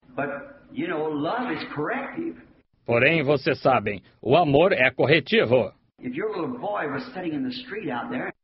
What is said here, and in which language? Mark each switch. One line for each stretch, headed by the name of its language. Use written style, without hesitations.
English: But, you know, love is corrective.
Portuguese: Porém, vocês sabem, o amor é corretivo.
English: If your little boy was sitting in the street out there,